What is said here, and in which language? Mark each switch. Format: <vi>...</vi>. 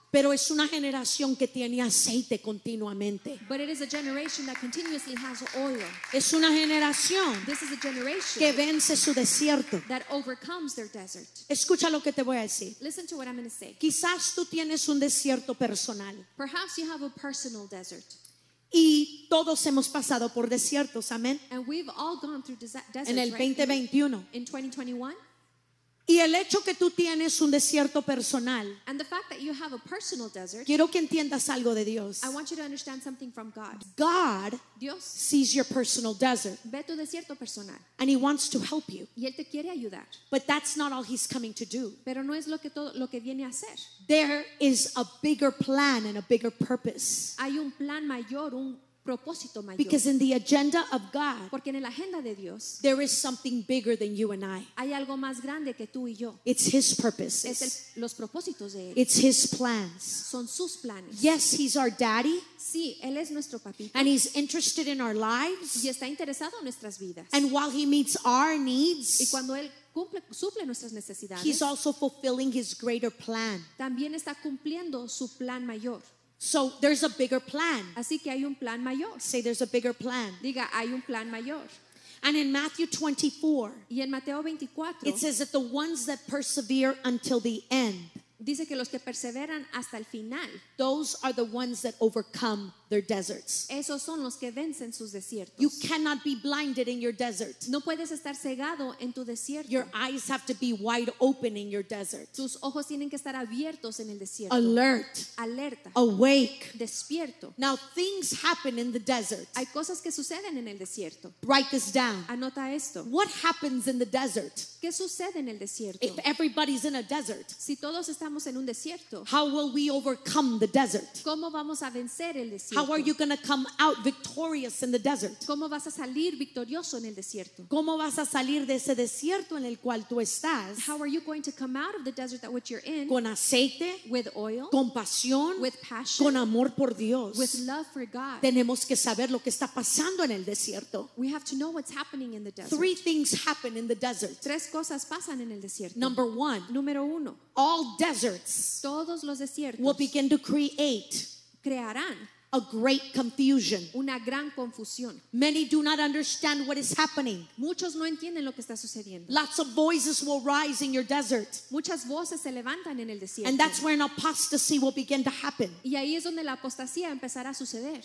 <es>Pero es una generación que tiene aceite continuamente.</es> <en>But it is a generation that continuously has oil.</en> <es>Es una generación.</es> <en>This is a generation</en> <es>que vence su desierto.</es> <en>That overcomes their desert.</en> <es>Escucha lo que te voy a decir.</es> <en>Listen to what I'm going to say.</en> <es>Quizás tú tienes un desierto personal.</es> <en>Perhaps you have a personal desert.</en> <es>Y todos hemos pasado por desiertos, amén.</es> <en>And we've all gone through deserts.</en> <es>En el 2021.</es> <en>Right? In 2021.</en> <es>Y el hecho que tú tienes un desierto personal,</es> <en>and the fact that you have a personal desert,</en> <es>quiero que entiendas algo de Dios.</es> <en>I want you to understand something from God. God,</en> <es>Dios,</es> <en>sees your personal desert.</en> <es>Ve tu desierto personal.</es> <en>And he wants to help you.</en> <es>Y él te quiere ayudar.</es> <en>But that's not all he's coming to do.</en> <es>Pero no es lo que viene a hacer.</es> <en>There is a bigger plan and a bigger purpose.</en> <es>Hay un plan mayor, un propósito mayor.</es> <en>Because in the agenda of God,</en> <es>porque en la agenda de Dios,</es> <en>there is something bigger than you and I.</en> <es>Hay algo más grande que tú y yo.</es> <en>It's his purposes.</en> <es>Es los propósitos de él.</es> <en>It's his plans.</en> <es>Son sus planes.</es> <en>Yes, he's our daddy.</en> <es>Sí, él es nuestro papito.</es> <en>And he's interested in our lives.</en> <es>Y está interesado en nuestras vidas.</es> <en>And while he meets our needs,</en> <es>y cuando él cumple, suple nuestras necesidades,</es> <en>he's also fulfilling his greater plan.</en> <es>También está cumpliendo su plan mayor.</es> <en>So there's a bigger plan.</en> <es>Así que hay un plan mayor.</es> <en>Say there's a bigger plan.</en> <es>Diga, hay un plan mayor.</es> <en>And in Matthew 24,</en> <es>y en Mateo 24,</es> <en>it says that the ones that persevere until the end,</en> <es>Dice que los que perseveran hasta el final,</es> <en>those are the ones that overcome their deserts.</en> <es>Esos son los que vencen sus desiertos.</es> <en>You cannot be blinded in your desert.</en> <es>No puedes estar cegado en tu desierto.</es> <en>Your eyes have to be wide open in your desert.</en> <es>Tus ojos tienen que estar abiertos en el desierto.</es> <en>Alert.</en> <es>Alerta.</es> <en>Awake.</en> <es>Despierto.</es> <en>Now things happen in the desert.</en> <es>Hay cosas que suceden en el desierto.</es> <en>Write this down.</en> <es>Anota esto.</es> <en>What happens in the desert?</en> <es>¿Qué sucede en el desierto?</es> <en>If everybody's in a desert,</en> <es>si todos estamos en un desierto,</es> <en>how will we overcome the desert?</en> <es>¿Cómo vamos a vencer el desierto?</es> <en>How are you going to come out victorious in the desert?</en> <es>¿Cómo vas a salir victorioso en el desierto? ¿Cómo vas a salir de ese desierto en el cual tú estás?</es> <en>How are you going to come out of the desert that which you're in?</en> <es>Con aceite,</es> <en>with oil,</en> <es>con pasión,</es> <en>with passion,</en> <es>con amor por Dios,</es> <en>with love for God.</en> <es>Tenemos que saber lo que está pasando en el desierto.</es> <en>We have to know what's happening in the desert. Three things happen in the desert.</en> <es>Tres cosas pasan en el desierto.</es> <en>Number one.</en> <es>Número uno.</es> <en>All deserts,</en> <es>todos los desiertos,</es> <en>will begin to create,</en> <es>crearán,</es> <en>a great confusion.</en> <es>Una gran confusión.</es> <en>Many do not understand what is happening.</en> <es>Muchos no entienden lo que está sucediendo.</es> <en>Lots of voices will rise in your desert.</en> <es>Muchas voces se levantan en el desierto.</es> <en>And that's where an apostasy will begin to happen.</en> <es>Y ahí es donde la apostasía empezará a suceder.</es>